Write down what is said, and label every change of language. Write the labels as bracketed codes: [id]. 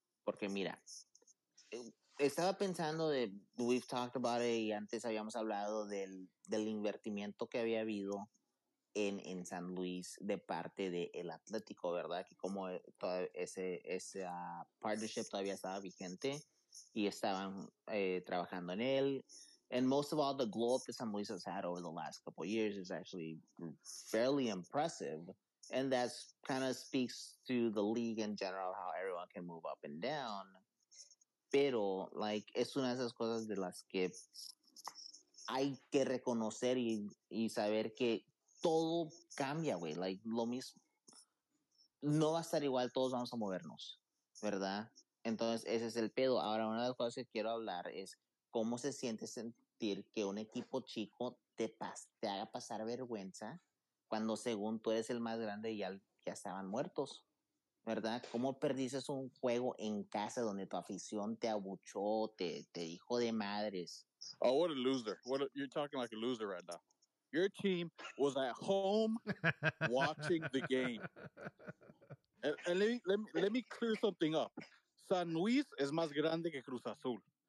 [es] Porque, mira, estaba pensando de, we've talked about it, y antes habíamos hablado del invertimiento que había habido en San Luis de parte del Atlético, ¿verdad? Que como todo ese partnership todavía estaba vigente, y estaban trabajando en él. [en] And most of all, the glow-up that San Luis has had over the last couple of years is actually fairly impressive. And that kind of speaks to the league in general, how everyone can move up and down. [es] Pero, like, es una de esas cosas de las que hay que reconocer y saber que todo cambia, güey. Like, lo mismo. No va a estar igual, todos vamos a movernos, ¿verdad? Entonces, ese es el pedo. Ahora, una de las cosas que quiero hablar es cómo se siente sentir que un equipo chico te haga pasar vergüenza cuando según tú eres el más grande y ya estaban muertos, ¿verdad? ¿Cómo perdiste un juego en casa donde tu afición te abuchó, te dijo de madres? [en] Oh, what a loser. You're talking like a loser right now. Your team was at home watching the game. And let me clear something up. [es] San Luis es más grande que Cruz Azul.